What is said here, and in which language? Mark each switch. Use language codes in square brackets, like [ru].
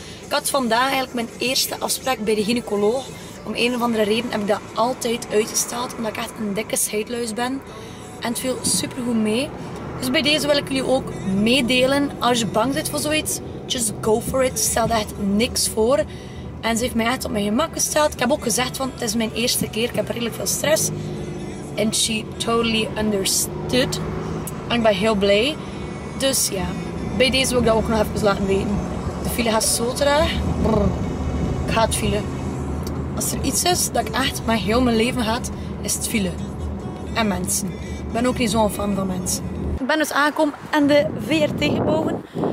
[nl] Ik had vandaag eigenlijk mijn eerste afspraak bij de gynaecoloog. Om een of andere reden heb ik dat altijd uitgesteld, omdat ik echt een dikke scheidluis ben. En het viel super goed mee. Dus bij deze wil ik jullie ook meedelen. Als je bang bent voor zoiets, [en] just go for it. [nl] Stel echt niks voor. En ze heeft mij echt op mijn gemak gesteld. Ik heb ook gezegd, want het is mijn eerste keer. Ik heb redelijk veel stress. [en] And she totally understood. [nl] En ik ben heel blij. Dus ja, bij deze wil ik dat ook nog even laten weten. De file gaat zo traag. Brrr. Ik haat file. Als er iets is dat ik echt met heel mijn leven haat, is het file. En mensen. Ik ben ook niet zo'n fan van mensen. Ik ben dus aangekomen aan de VRT gebogen.